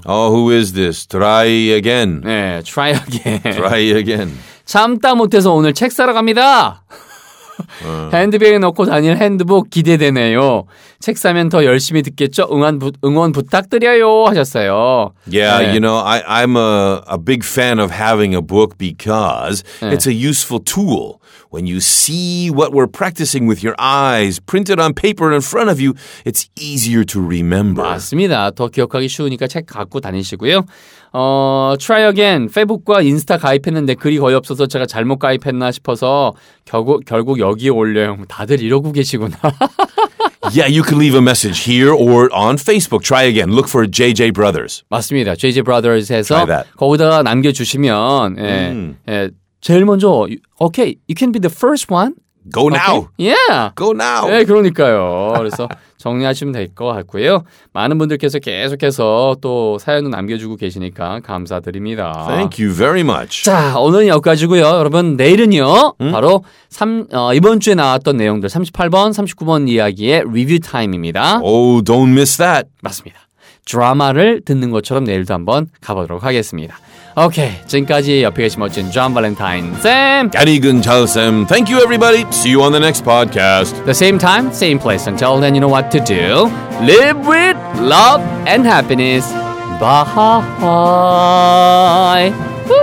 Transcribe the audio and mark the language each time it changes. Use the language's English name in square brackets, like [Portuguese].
[English] Oh, who is this? Try again. 네, try again. Try again. [Korean] 참다 못해서 오늘 책 사러 갑니다. 핸드백에 넣고 다닐 핸드북 기대되네요. 책 사면 더 열심히 듣겠죠? 응원 부탁드려요 하셨어요. [English] Yeah, [Korean] 네. [English] you know, I'm a big fan of having a book because 네. it's a useful tool. When you see what we're practicing with your eyes printed on paper in front of you, it's easier to remember. [Korean] 맞습니다. 더 기억하기 쉬우니까 책 갖고 다니시고요. [English] Try again. [Korean] 페북과 인스타 가입했는데 글이 거의 없어서 제가 잘못 가입했나 싶어서 결국 여기에 올려요. 다들 이러고 계시구나. [English] Yeah, you can leave a message here or on Facebook. Try again. Look for JJ Brothers. [Korean] 맞습니다. JJ Brothers에서 거기다가 남겨주시면 제일 먼저, [English] okay, you can be the first one. Go now. Okay? Yeah. Go now. [Korean] 네, 그러니까요. 그래서 정리하시면 될 것 같고요. 많은 분들께서 계속해서 또 사연도 남겨주고 계시니까 감사드립니다. [English] Thank you very much. [Korean] 자, 오늘은 여기까지고요. 여러분, 내일은요. 바로 이번 주에 나왔던 내용들 38번, 39번 이야기의 리뷰 타임입니다. [English] Oh, don't miss that. [Korean] 맞습니다. 드라마를 듣는 것처럼 내일도 한번 가보도록 하겠습니다. 오케이, 지금까지 옆에 계신 멋진 존 발렌타인 쌤 안익은 잘 쌤 [English] Thank you everybody See you on the next podcast The same time, same place Until then you know what to do Live with love and happiness Bye